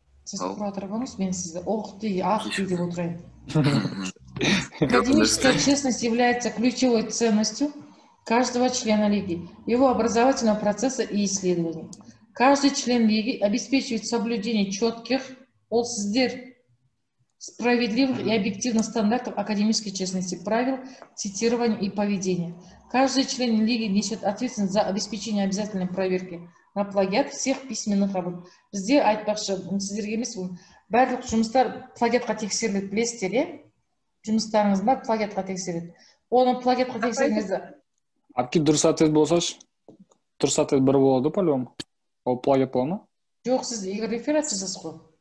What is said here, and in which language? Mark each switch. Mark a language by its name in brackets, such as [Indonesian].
[Kazakh] Сіз құратыр болыңыз, мен сізді оқ дей, ақ дей деп отырайын. [Russian] Академическая честность является ключевой ценностью каждого члена лиги, его образовательного процесса и исследований. Каждый член лиги обеспечивает соблюдение четких, осздер, справедливых и объективных стандартов академической честности, правил цитирования и поведения. Каждый член лиги несет ответственность за обеспечение обязательной проверки на плагиат всех письменных работ. [Kazakh] Бізде айтпақшы, сіздерге емес, барлық жұмыстар плагиатқа тексеріледі, білесіздер, жұмыстарыңыз бар плагиатқа тексеріледі. Оны плагиатқа тексеріңізді. Апки дұрыс ответ болсашы, дұрыс ответ бір болады по-любому. Ол плагиат болады ма? Жоқ, сіз егер реферат сіз қой.